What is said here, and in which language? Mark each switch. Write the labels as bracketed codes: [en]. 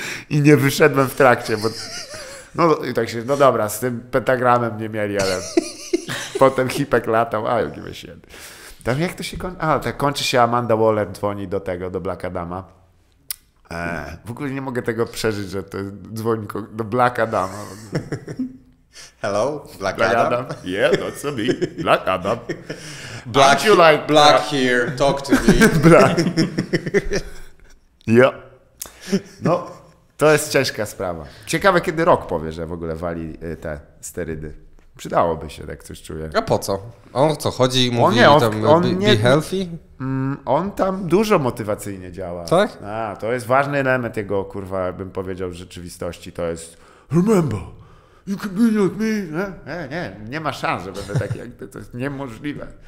[pl] I nie wyszedłem w trakcie, bo no i tak się, no dobra, z tym pentagramem nie mieli, ale potem Hipek latał, a już nie się. Tam jak to się kończy? A, tak kończy się, Amanda Waller dzwoni do tego, do Black Adama. W ogóle nie mogę tego przeżyć, że to dzwoni do Black Adama. [en] Hello, Black Adam. Yeah, that's me, Black Adam. Black, you like Black here, talk to me. Black. Yeah. No. [pl] To jest ciężka sprawa. Ciekawe, kiedy Rock powie, że w ogóle wali te sterydy. Przydałoby się, jak coś czuje. A po co? On co, chodzi i mówi, [en] be healthy? [pl] On tam dużo motywacyjnie działa. Tak? A, to jest ważny element jego, kurwa, bym powiedział, w rzeczywistości. To jest, [en] remember, you can be like me. [pl] Nie ma szans, że będę taki, jak to jest niemożliwe.